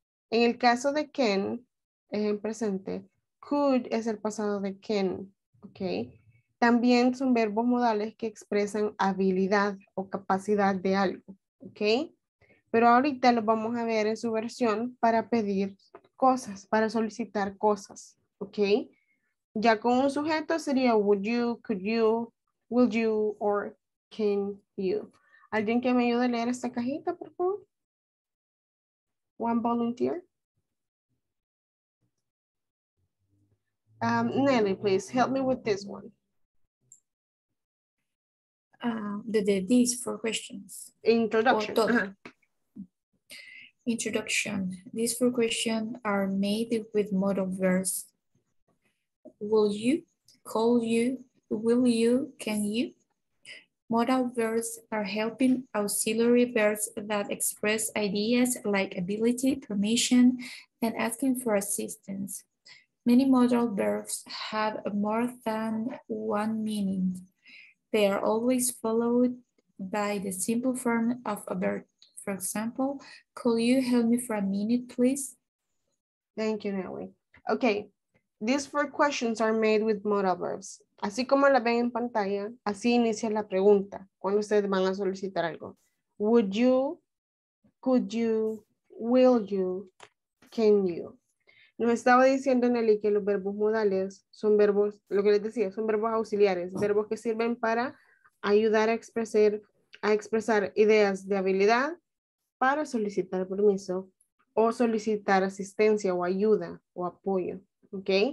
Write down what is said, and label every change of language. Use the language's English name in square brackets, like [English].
[Spanish] En el caso de can, es en presente, could es el pasado de can, ¿ok? También son verbos modales que expresan habilidad o capacidad de algo. Ok, pero ahorita lo vamos a ver en su versión para pedir cosas, para solicitar cosas. [English] Ok, [Spanish] ya con un sujeto sería [English] would you, could you, will you, or can you. [Spanish] ¿Alguien que me ayude a leer esta cajita, por favor? [English] One volunteer. Nelly, please help me with this one. These four questions. Introduction. These four questions are made with modal verbs. Will you, call you, will you, can you? Modal verbs are helping auxiliary verbs that express ideas like ability, permission, and asking for assistance. Many modal verbs have more than one meaning. They are always followed by the simple form of a verb. For example, could you help me for a minute, please? Thank you, Nelly. Okay, these four questions are made with modal verbs. [Spanish] Así como la ven en pantalla, así inicia la pregunta cuando ustedes van a solicitar algo. [English] Would you, could you, will you, can you? [Spanish] Nos estaba diciendo Nelly que los verbos modales son verbos, lo que les decía, son verbos auxiliares, verbos que sirven para ayudar a expresar ideas de habilidad para solicitar permiso o solicitar asistencia o ayuda o apoyo, ¿ok?